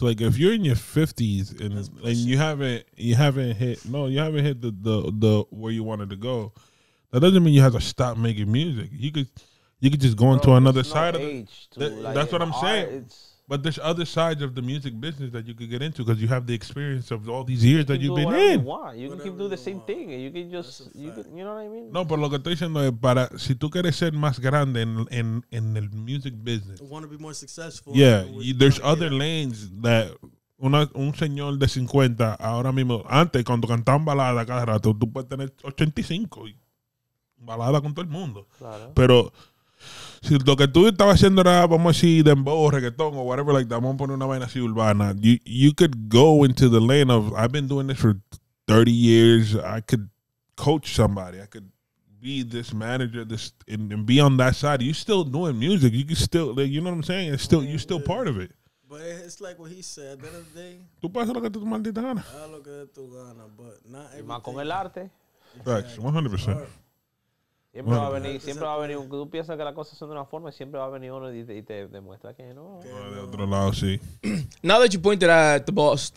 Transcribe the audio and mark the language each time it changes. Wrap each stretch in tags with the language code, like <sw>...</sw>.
<en>Like if you're in your 50s and you haven't hit the where you wanted to go, that doesn't mean you have to stop making music. You could just go into another side of age. That's what I'm saying. But there's other sides of the music business that you could get into because you have the experience of all these years that you've been in. You can keep doing the same thing. You can just, you know what I mean?</en> <es>No, pero lo que estoy diciendo es para, si tú quieres ser más grande en el music business.</es> <en>Want to be more successful. Yeah, there's other lanes that</en> <es>un señor de 50, ahora mismo, antes cuando cantaban balada cada rato, tú puedes tener 85 y balada con todo el mundo. Claro. Pero si lo que tú estabas haciendo era, vamos a decir, dembow, reggaeton, o whatever like that, vamos a poner una vaina así urbana,</es> <en>you could go into the lane of, I've been doing this for 30 years, I could coach somebody, I could be this manager, this and be on that side. You're still doing music. You can still, like, you know what I'm saying? It's still, you're still part of it. But it's like what he said, at the end of the day,</en> <es>tú puedes hacer lo que tú maldita gana. Lo que tú gana,</es> <en>but not everything.</en> <es>Más con el arte.</es> <en>Facts, 100%.</en> <es>Siempre bueno, va a venir, siempre va a venir. Tú piensas que las cosas son de una forma y siempre va a venir uno y te demuestra que no. De otro lado, sí.</es> <en>Now that you pointed at the boss.</en>